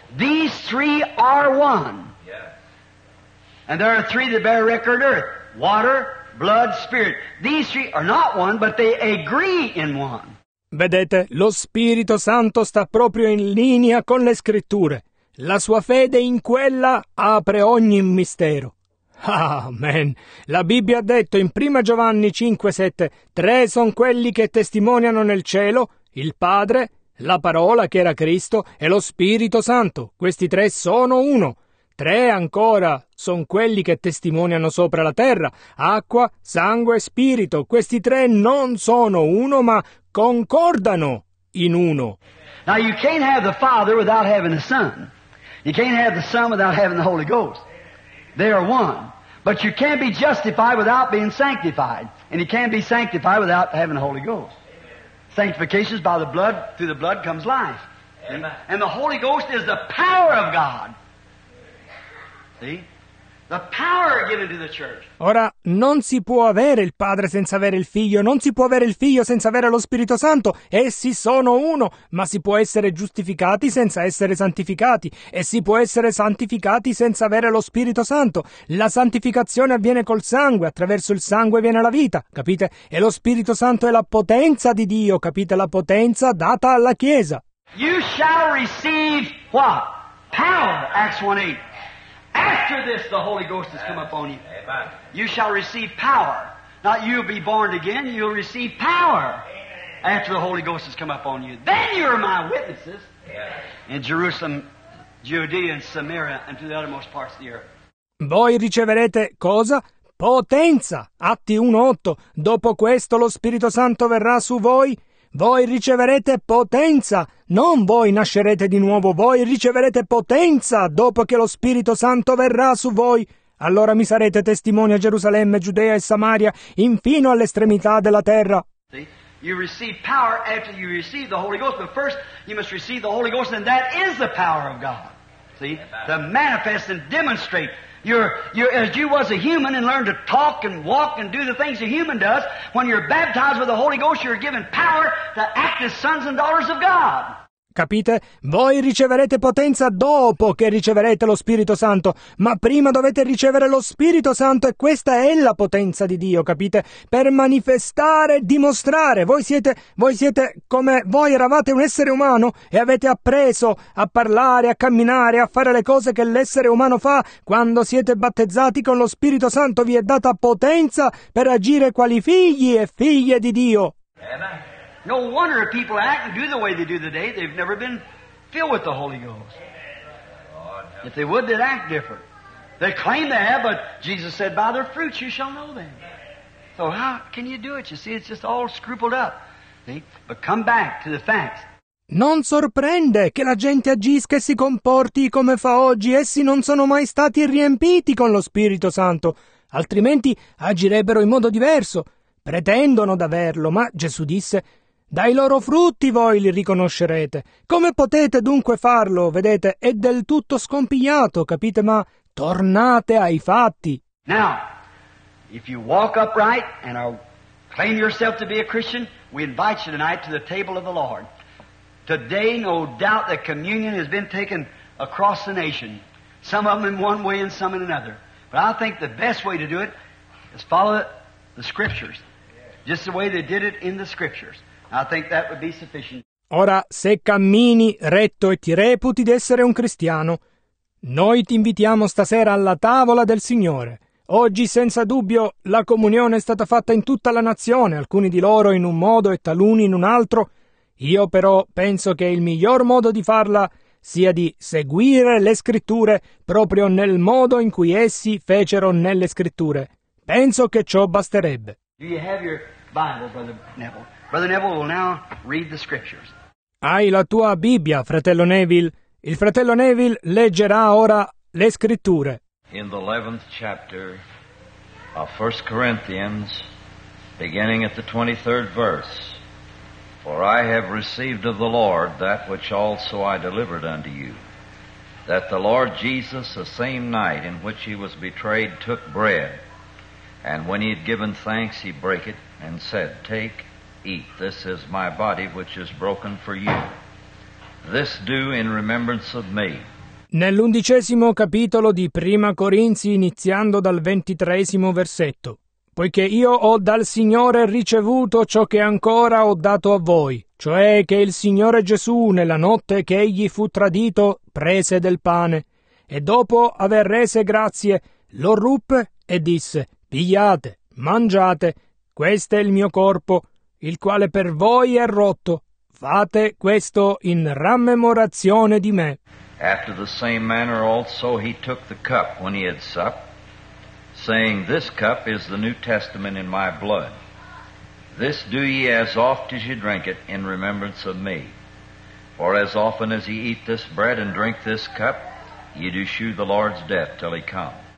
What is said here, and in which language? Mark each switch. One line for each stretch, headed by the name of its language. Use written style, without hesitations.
English: These three are one. Yes. And there are three that bear record earth, water, blood, spirit. These three are not one, but they agree in one.
Italian: Vedete, lo Spirito Santo sta proprio in linea con le scritture. La sua fede in quella apre ogni mistero. Amen. La Bibbia ha detto in 1 Giovanni 5:7, tre sono quelli che testimoniano nel cielo, il Padre, la parola che era Cristo e lo Spirito Santo. Questi tre sono uno. Tre ancora sono quelli che testimoniano sopra la terra, acqua, sangue e spirito. Questi tre non sono uno, ma concordano in uno.
English: Now you can't have the Father without having the Son. You can't have the Son without having the Holy Ghost. They are one. But you can't be justified without being sanctified. And you can't be sanctified without having the Holy Ghost. Sanctification is by the blood. Through the blood comes life. Amen. And the Holy Ghost is the power of God. See? The power given to the church.
Italian: Ora, non si può avere il Padre senza avere il Figlio, non si può avere il Figlio senza avere lo Spirito Santo. Essi sono uno, ma si può essere giustificati senza essere santificati, e si può essere santificati senza avere lo Spirito Santo. La santificazione avviene col sangue, attraverso il sangue viene la vita, capite? E lo Spirito Santo è la potenza di Dio, capite? La potenza data alla Chiesa.
English: You shall receive what? Power, Acts 1:8. After this, the Holy Ghost has come upon you. Amen. You shall receive power. Not you'll be born again, you'll receive power. Amen. After the Holy Ghost has come upon you. Then you're my witnesses. Yes. In Jerusalem, Judea, and Samaria, and to the uttermost parts of the earth.
Italian: Voi riceverete cosa? Potenza. Atti 1:8. Dopo questo lo Spirito Santo verrà su voi. Voi riceverete potenza, non voi nascerete di nuovo, voi riceverete potenza dopo che lo Spirito Santo verrà su voi. Allora mi sarete testimoni a Gerusalemme, Giudea e Samaria, infino all'estremità della terra.
English: You receive power after you receive the Holy Ghost, but first you must receive the Holy Ghost, and that is the power of God. See? To manifest and demonstrate. You're as you was a human and learned to talk and walk and do the things a human does. When you're baptized with the Holy Ghost, you're given power to act as sons and daughters of God.
Italian: Capite? Voi riceverete potenza dopo che riceverete lo Spirito Santo, ma prima dovete ricevere lo Spirito Santo, e questa è la potenza di Dio, capite? Per manifestare, dimostrare. Voi siete come voi eravate un essere umano e avete appreso a parlare, a camminare, a fare le cose che l'essere umano fa. Quando siete battezzati con lo Spirito Santo vi è data potenza per agire quali figli e figlie di Dio.
English: No wonder if people act and do the way they do today, they've never been filled with the Holy Ghost. If they would, they'd act different. They claim they have, but Jesus said, by their fruits you shall know them. So how can you do it? You see, it's just all scrupled up. See? But come back to the facts.
Italian: Non sorprende che la gente agisca e si comporti come fa oggi. Essi non sono mai stati riempiti con lo Spirito Santo. Altrimenti agirebbero in modo diverso. Pretendono d'averlo, ma Gesù disse, dai loro frutti voi li riconoscerete. Come potete dunque farlo? Vedete, è del tutto scompigliato, capite? Ma tornate ai fatti.
English: Now, if you walk upright and claim yourself to be a Christian, we invite you tonight to the table of the Lord. Today, no doubt, the communion has been taken across the nation. Some of them in one way and some in another. But I think the best way to do it is follow the scriptures. Just the way they did it in the scriptures. I think that would be sufficient.
Italian: Ora, se cammini retto e ti reputi di essere un cristiano, noi ti invitiamo stasera alla tavola del Signore. Oggi, senza dubbio, la comunione è stata fatta in tutta la nazione, alcuni di loro in un modo e taluni in un altro. Io però penso che il miglior modo di farla sia di seguire le scritture proprio nel modo in cui essi fecero nelle scritture. Penso che ciò basterebbe.
English: Do you have your Bible, Brother Neville? Brother Neville will now read the scriptures.
Italian: Hai la tua Bibbia, fratello Neville. Il fratello Neville leggerà ora le scritture.
English: In the 11th chapter of 1 Corinthians, beginning at the 23rd verse, for I have received of the Lord that which also I delivered unto you, that the Lord Jesus, the same night in which he was betrayed, took bread, and when he had given thanks, he brake it, and said, take, eat, this is my body which is broken for you. This do in remembrance of me.
Italian: Nell'undicesimo capitolo di Prima Corinzi, iniziando dal 23° versetto, poiché io ho dal Signore ricevuto ciò che ancora ho dato a voi, cioè che il Signore Gesù, nella notte che egli fu tradito, prese del pane, e dopo aver rese grazie, lo ruppe e disse, pigliate, mangiate, questo è il mio corpo, il quale per voi è rotto. Fate questo in rammemorazione di me.
English: After the same manner also he took the cup when he had supped, saying, this cup is the New Testament in my blood. This do ye as oft as ye drink it in remembrance of me. For as often as ye eat this bread and drink this cup, ye do shew the Lord's death till he come.